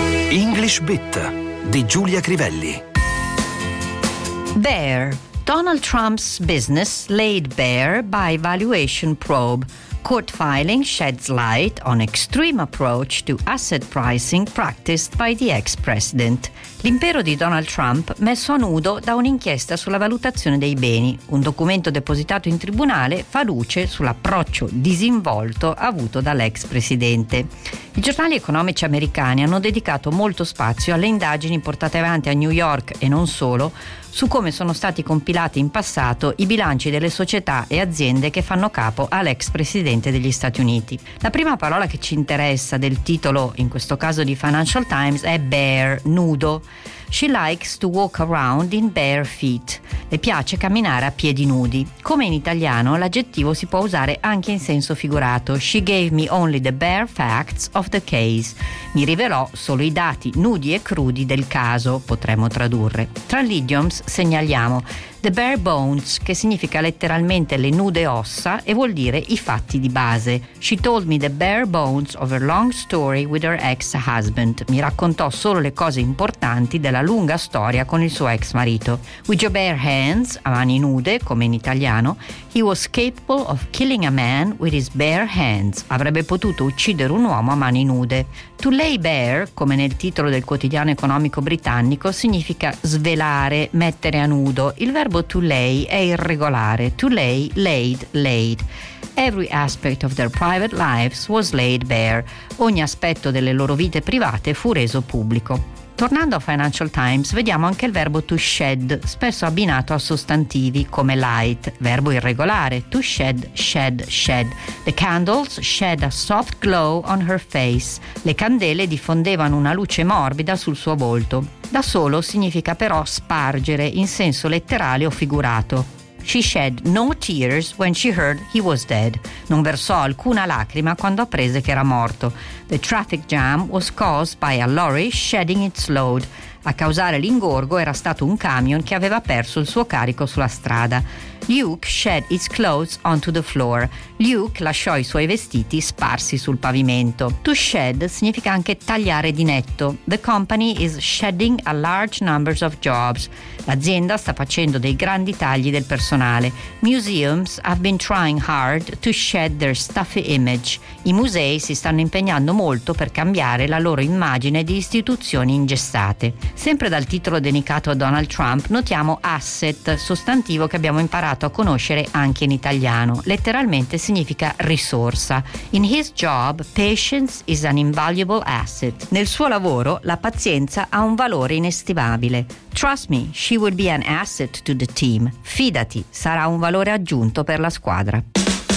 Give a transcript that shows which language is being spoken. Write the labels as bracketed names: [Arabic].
[Italian] English Bit di Giulia Crivelli. [English] Bare: Donald Trump's business laid bare by valuation probe. Court filing sheds light on extreme approach to asset pricing practiced by the ex-president. [Italian] L'impero di Donald Trump messo a nudo da un'inchiesta sulla valutazione dei beni. Un documento depositato in tribunale fa luce sull'approccio disinvolto avuto dall'ex presidente. I giornali economici americani hanno dedicato molto spazio alle indagini portate avanti a New York e non solo, su come sono stati compilati in passato i bilanci delle società e aziende che fanno capo all'ex presidente degli Stati Uniti. La prima parola che ci interessa del titolo, in questo caso di Financial Times, è bare, nudo. [English] She likes to walk around in bare feet. [Italian] Le piace camminare a piedi nudi. Come in italiano, l'aggettivo si può usare anche in senso figurato. [English] She gave me only the bare facts of the case. [Italian] Mi rivelò solo i dati nudi e crudi del caso, potremmo tradurre. Tra gli idioms segnaliamo the bare bones, che significa letteralmente le nude ossa e vuol dire i fatti di base. [English] She told me the bare bones of her long story with her ex-husband. [Italian] Mi raccontò solo le cose importanti della lunga storia con il suo ex marito. [English] With your bare hands, [Italian] a mani nude, come in italiano, [English] he was capable of killing a man with his bare hands. [Italian] Avrebbe potuto uccidere un uomo a mani nude. [English] To lay bare, [Italian] come nel titolo del quotidiano economico britannico, significa svelare, mettere a nudo. Il verbo to lay è irregolare. [English] To lay, laid, laid. Every aspect of their private lives was laid bare. [Italian] Ogni aspetto delle loro vite private fu reso pubblico. Tornando a Financial Times, vediamo anche il verbo to shed, spesso abbinato a sostantivi come light, verbo irregolare, to shed, shed, shed. [English] The candles shed a soft glow on her face. [Italian] Le candele diffondevano una luce morbida sul suo volto. Da solo significa però spargere in senso letterale o figurato. [English] She shed no tears when she heard he was dead. [Italian] Non versò alcuna lacrima quando apprese che era morto. [English] The traffic jam was caused by a lorry shedding its load. [Italian] A causare l'ingorgo era stato un camion che aveva perso il suo carico sulla strada. [English] Luke shed his clothes onto the floor. [Italian] Luke lasciò i suoi vestiti sparsi sul pavimento. To shed significa anche tagliare di netto. [English] The company is shedding a large numbers of jobs. [Italian] L'azienda sta facendo dei grandi tagli del personale. [English] Museums have been trying hard to shed their stuffy image. [Italian] I musei si stanno impegnando molto per cambiare la loro immagine di istituzioni ingessate. Sempre dal titolo dedicato a Donald Trump, notiamo asset, sostantivo che abbiamo imparato a conoscere anche in italiano. Letteralmente significa risorsa. [English] In his job, patience is an invaluable asset. [Italian] Nel suo lavoro, la pazienza ha un valore inestimabile. [English] Trust me, she will be an asset to the team. [Italian] Fidati, sarà un valore aggiunto per la squadra.